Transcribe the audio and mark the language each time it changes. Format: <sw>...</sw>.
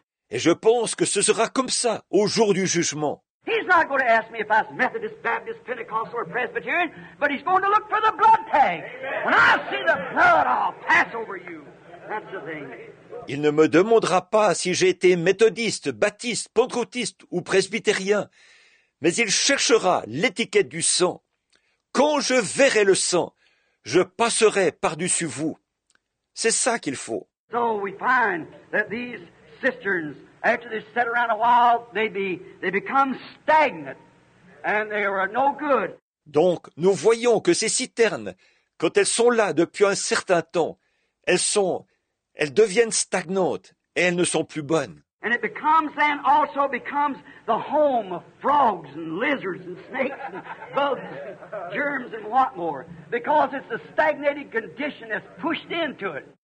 <fr>Et je pense que ce sera comme ça au jour du jugement.</fr> <en>He's not going to ask me if I'm Methodist, Baptist, Pentecostal, or Presbyterian, but he's going to look for the blood tag. When I see the blood, I'll pass over you. That's the thing.</en> <fr>Il ne me demandera pas si j'ai été méthodiste, baptiste, pentecôtiste ou presbytérien, mais il cherchera l'étiquette du sang. Quand je verrai le sang, je passerai par-dessus vous. C'est ça qu'il faut.</fr> <en>So we find that these cisterns, after they sit around a while, they become stagnant and they are no good.</en> <fr>Donc, nous voyons que ces citernes, quand elles sont là depuis un certain temps, elles deviennent stagnantes et elles ne sont plus bonnes.</fr> <en>And it becomes then also becomes the home of frogs and lizards and snakes and bugs, germs and what more, because it's the stagnated condition that's pushed into it.</en>